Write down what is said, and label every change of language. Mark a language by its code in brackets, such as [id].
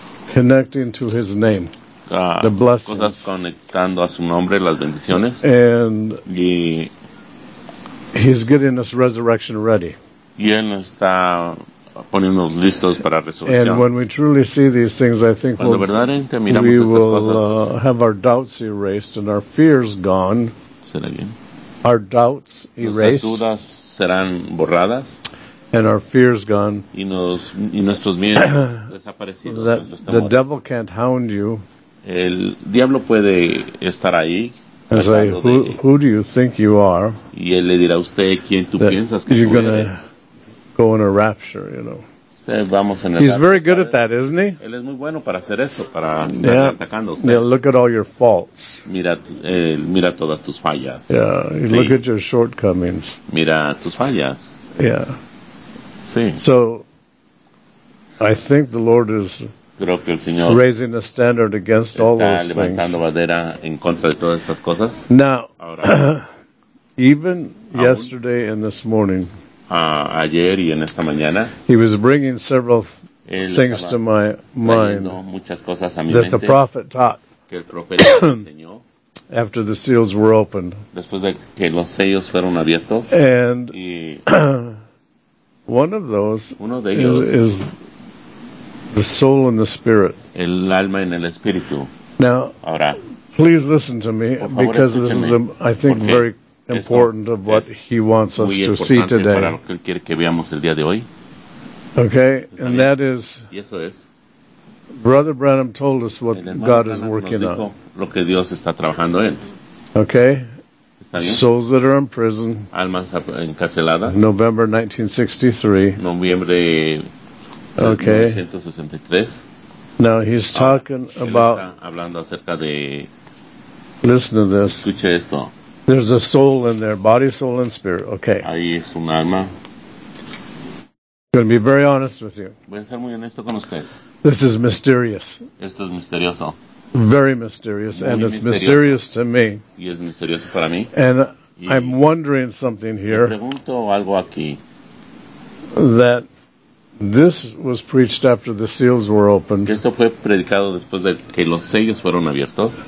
[en] connecting to his name. The blessings. [es] Cosas conectando a su nombre, las bendiciones. [en] And [es] y [en] he's getting us resurrection ready. [es] Y él nos está poniéndonos listos para resurrección. [en] And when we truly see these things, I think [es] cuando verdaderamente miramos [en] we [es] estas [en] will [es] cosas, [en] have our doubts erased and our fears gone. [es] ¿Será bien? [en] Our doubts erased. [es] Nuestras dudas serán borradas. [en] And our fears gone. [es] Y nuestros miedos desaparecidos. [en] The devil can't hound you. [es] El diablo puede estar ahí. [en] And say, who do you think you are? [es] Y él le dirá a usted quién tú piensas que [en] you're gonna go in a rapture, you know. [es] Vamos en el [en] He's very good at that, isn't he? [es] Él es muy bueno para hacer esto, para estar atacando a usted. [en] Yeah, look at all your faults. [es] Mira todas tus fallas. [en] Yeah, look at your shortcomings. [es] Mira tus fallas. [en] Yeah. [es] Sí. [en] So, I think the Lord is [es] Creo que el Señor [en] raising a standard against all those things. [es] Está levantando bandera en contra de todas estas cosas. [en] Now, even yesterday and this morning, [es] ayer y en esta mañana, [en] he was bringing several things to my mind [es] muchas cosas a mi [en] that [es] mente, [en] the prophet taught [es] que el profeta enseñó [en] after the seals were opened. [es] Después de que los sellos fueron abiertos, [en] and [es] y [en] one of those [es] uno de ellos [en] is the soul and the spirit. [es] El alma en el espíritu. [en] Now, [es] Ahora, [en] please listen to me [es] favor, [en] because this is, I think, very important of what he wants us to see today. [es] Para lo que él quiere que veamos el día de hoy. [en] Okay, Está and [es] bien. [en] That is, [es] y eso es, [en] Brother Branham told us what God is working on. [es] Lo que Dios está trabajando en. [en] Okay, [es] Está bien. [en] Souls that are in prison. [es] Almas encarceladas. [en] November 1963. [es] Noviembre 1963. [en] Okay. Now he's talking about. [es] Está hablando acerca de. [en] Listen to this. [es] Escuche esto. [en] There's a soul in there, body, soul, and spirit. Okay. [es] Ahí es un alma. [en] I'm going to be very honest with you. [es] Voy a ser muy honesto con usted. [en] This is mysterious. [es] Esto es misterioso. [en] Very mysterious, [es] muy [en] and [es] misterioso. [en] It's mysterious to me. [es] Y es misterioso para mí. [en] And I'm wondering something here. [es] Me pregunto algo aquí. [en] That this was preached after the seals were opened. [es] Esto fue predicado después de que los sellos fueron abiertos.